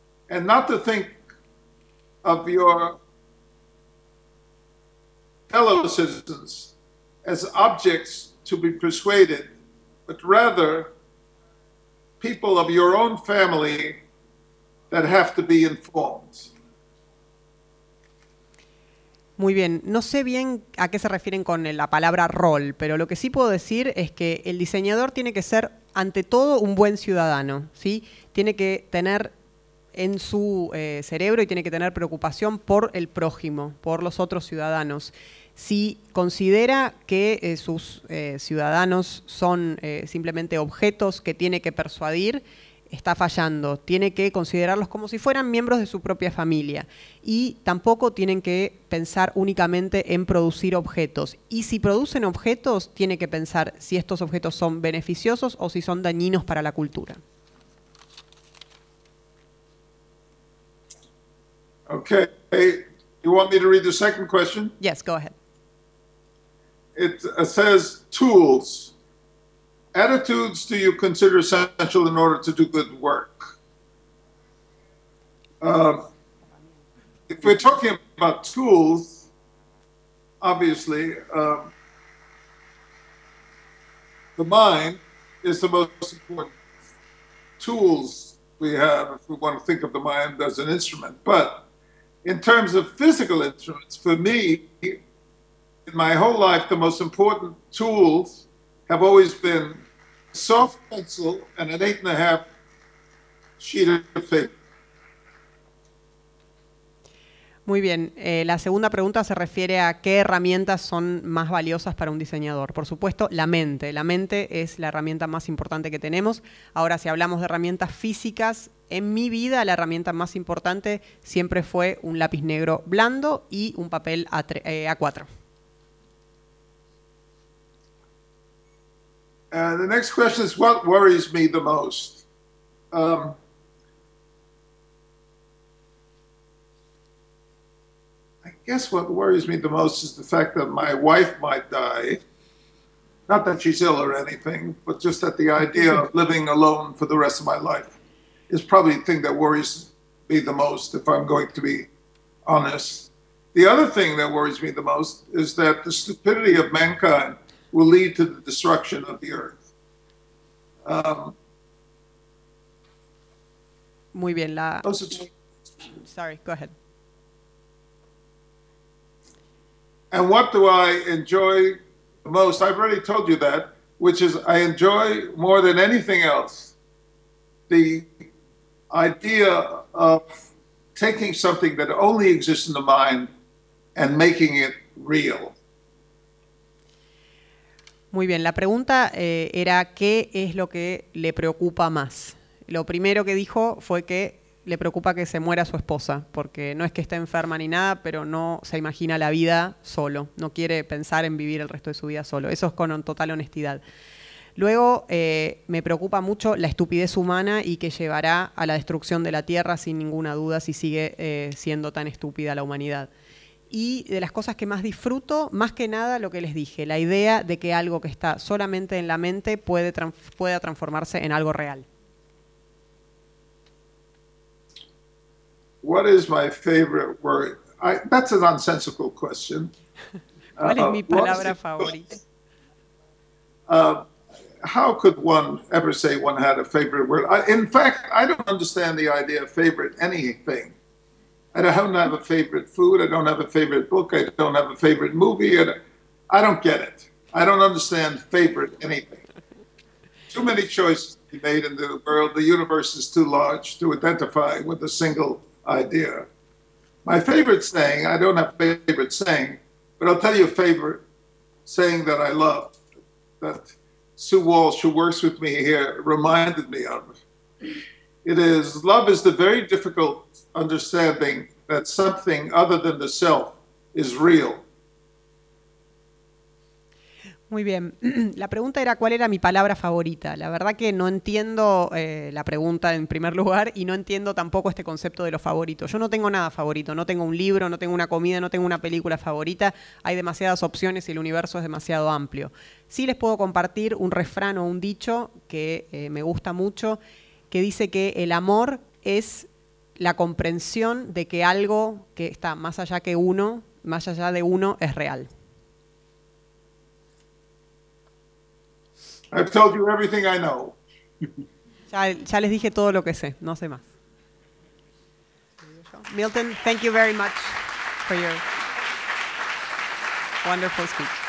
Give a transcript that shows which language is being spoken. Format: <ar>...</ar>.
<en>And not to think of your fellow citizens as objects to be persuaded, but rather people of your own family that have to be informed.</en> <es>Muy bien, no sé bien a qué se refieren con la palabra rol, pero lo que sí puedo decir es que el diseñador tiene que ser, ante todo, un buen ciudadano, ¿sí? Tiene que tener en su cerebro y tiene que tener preocupación por el prójimo, por los otros ciudadanos. Si considera que sus ciudadanos son simplemente objetos que tiene que persuadir, está fallando. Tiene que considerarlos como si fueran miembros de su propia familia. Y tampoco tienen que pensar únicamente en producir objetos. Y si producen objetos, tiene que pensar si estos objetos son beneficiosos o si son dañinos para la cultura.</es> <en>Okay. You want me to read the second question? Yes, go ahead. it says tools. Attitudes do you consider essential in order to do good work? If we're talking about tools, obviously, the mind is the most important tools we have if we want to think of the mind as an instrument. But in terms of physical instruments, for me, in my whole life, the most important tools have always been a soft pencil and an 8.5 sheet of paper.</en> <es>Muy bien. La segunda pregunta se refiere a qué herramientas son más valiosas para un diseñador. Por supuesto, la mente. La mente es la herramienta más importante que tenemos. Ahora, si hablamos de herramientas físicas, en mi vida la herramienta más importante siempre fue un lápiz negro blando y un papel A4.</es> <en>The next question is, what worries me the most? I guess what worries me the most is the fact that my wife might die. Not that she's ill or anything, but just that the idea of living alone for the rest of my life is probably the thing that worries me the most, if I'm going to be honest. The other thing that worries me the most is that the stupidity of mankind will lead to the destruction of the earth.</en> <es>Muy bien.</es> <en>Go ahead. And what do I enjoy the most? I've already told you that, which is I enjoy more than anything else the idea of taking something that only exists in the mind and making it real.</en> <es>Muy bien, la pregunta era qué es lo que le preocupa más. Lo primero que dijo fue que le preocupa que se muera su esposa, porque no es que esté enferma ni nada, pero no se imagina la vida solo. No quiere pensar en vivir el resto de su vida solo. Eso es con total honestidad. Luego, me preocupa mucho la estupidez humana y que llevará a la destrucción de la Tierra, sin ninguna duda, si sigue siendo tan estúpida la humanidad. Y de las cosas que más disfruto, más que nada lo que les dije, la idea de que algo que está solamente en la mente pueda transformarse en algo real.</es> <en>What is my favorite word? That's a nonsensical question.</en> <es>¿Cuál es mi palabra favorita?</es> <en>How could one ever say one had a favorite word? In fact, I don't understand the idea of favorite anything. I don't have a favorite food. I don't have a favorite book. I don't have a favorite movie. I don't get it. I don't understand favorite anything. Too many choices to be made in the world. The universe is too large to identify with a single idea. My favorite saying, I don't have a favorite saying, but I'll tell you a favorite saying that I love, that Sue Walsh, who works with me here, reminded me of. It is, love is the very difficult understanding that something other than the self is real.</en> <es>Muy bien. La pregunta era cuál era mi palabra favorita. La verdad que no entiendo la pregunta en primer lugar y no entiendo tampoco este concepto de los favoritos. Yo no tengo nada favorito. No tengo un libro, no tengo una comida, no tengo una película favorita. Hay demasiadas opciones y el universo es demasiado amplio. Sí les puedo compartir un refrán o un dicho que me gusta mucho, que dice que el amor es la comprensión de que algo que está más allá que uno, más allá de uno, es real.</es> <en>I've told you everything I know.</en> <es>Ya les dije todo lo que sé, no sé más.</es> <en>Milton, thank you very much for your wonderful speech.</en>